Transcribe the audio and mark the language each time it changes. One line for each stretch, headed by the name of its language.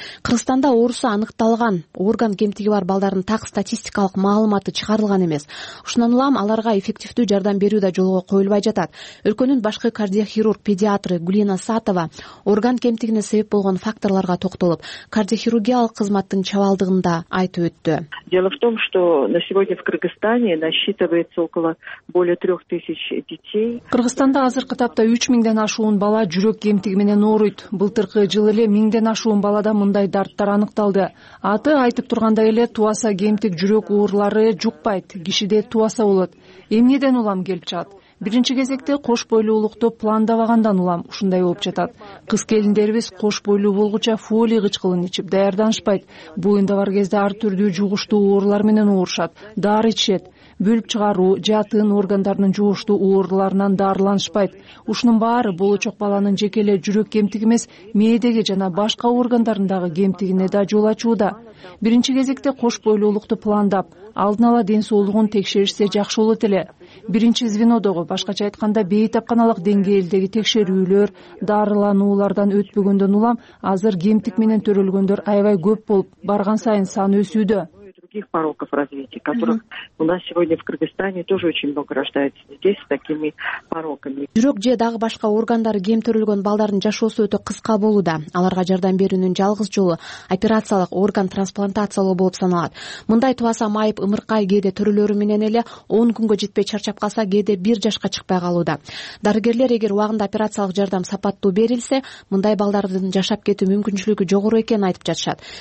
Kyrgyz: Кыргызстанда оорусу аныкталган орган кемтиги бар балдардын так статистикалык маалыматы чыгарылган эмес. Ушундан улам аларга эффективдүү жардам берүү да жолго коюлбай жатат. Өлкөнүн башкы кардиохирург педиатры Гулина Сатова орган кемтигине себеп болгон факторлорго токтолуп, кардиохирургиялык кызматтын чабалдыгын да айтып өттү.
Russian: Дело в том, что на сегодня в Кыргызстане насчитывается около более 3000 детей.
Kyrgyz: Кыргызстанда азыркы тапта 3000ден ашуун бала жүрөк кемтиги менен ооруйт. Былтыркы жыл эле 1000ден ашуун балада мындай дарттар аныкталды. Аты айтып тургандай эле тубаса кемтик жүрөк оорулары жукпайт, кишиде тубаса болот. Эмнеден улам келип жатат? Биринчи кезекте кош бойлуулукту пландабагандан улам ушундай болуп жатат. Кыз келиндерибиз кош бойлуу болгуча фолий кычкылын ичип даярданышпайт. Боюнда бар кезде ар түрдүү жугуштуу оорулар менен оорушат, дары ичишет. Бүлүп чыгаруу, жатын органдарынын жугуштуу ооруларынан дарыланышпайт. Ушунун баары болочок баланын жеке эле жүрөк кемтиги эмес, мээдеги жана башка органдарындагы кемтигине да жол ачууда. Биринчи кезекте кош бойлуулукту пландап, алдын ала ден соолугун текшеришсе жакшы болот эле. Биринчи звенодогу, башкача айтканда бейтапканалык деңгээлдеги текшерүүлөр, дарылануулардан өтпөгөндөн улам азыр кемтик менен төрөлгөндөр аябай көп болуп, барган сайын саны өсүүдө.
Russian: других пороков развития, которых у нас сегодня в Кыргызстане тоже очень много рождается детей с такими пороками.
Kyrgyz: Жүрөк же дагы башка органдар кемтирилген балдардын жашоосу өтө кыска болууда. Аларга жардам берүүнүн жалгыз жолу операциялык орган трансплантациялоо болуп саналат. Мындай тубаса майып, ымыркай кээде төрөлөрү менен эле 10 күнгө жетпей чарчап калса, кээде 1 жашка чыкпай калууда. Дарыгерлер эгер убагында операциялык жардам сапаттуу берилсе, мындай балдардын жашап кетүү мүмкүнчүлүгү жогору экенин айтып жатышат.